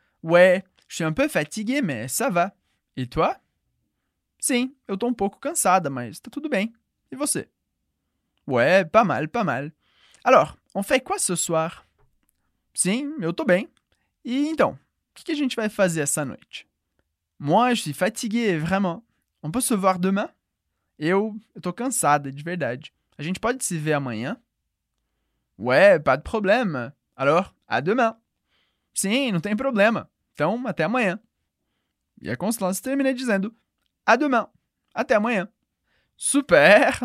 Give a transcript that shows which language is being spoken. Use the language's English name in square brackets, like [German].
[French] Ouais, je suis un peu fatigué, mais ça va. Et toi? [Portuguese] Sim, eu tô um pouco cansada, mas tá tudo bem. E você? [French] Ouais, pas mal, pas mal. Alors, on fait quoi ce soir? [Portuguese] Sim, eu tô bem. E então, o que, que a gente vai fazer essa noite? [French] Moi, je suis fatigué, vraiment. On peut se voir demain? [Portuguese] Eu tô cansada, de verdade. A gente pode se ver amanhã? [French] Ouais, pas de problème. Alors, à demain. [Portuguese] Sim, não tem problema. Então, até amanhã. E a Constance termina dizendo, [French] à demain. [Portuguese] Até amanhã. Super!